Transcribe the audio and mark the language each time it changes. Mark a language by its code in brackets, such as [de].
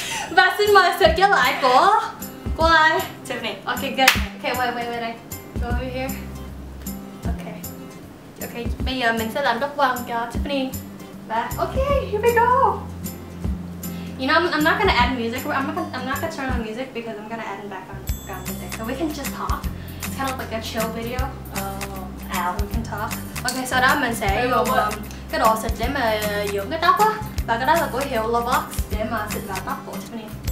[vi] Và xin mời sự trở lại của ai? Tiffany. [en] Ok good. Ok wait đây. Go over here. [vi] Ok, bây giờ mình sẽ làm tóc vàng cho Tiffany. [en] Và ok, here we go. You know, I'm not gonna add music. I'm not gonna turn on music because I'm gonna add in background music. So we can just talk. It's kind of like a chill video. Oh, ow. We can talk. [vi] Ok, sau đó mình sẽ dùng cái đồ xịt để mà dưỡng cái tóc á. Và cái đó là của hiệu Lovox để mà xịt vào tóc của Tiffany.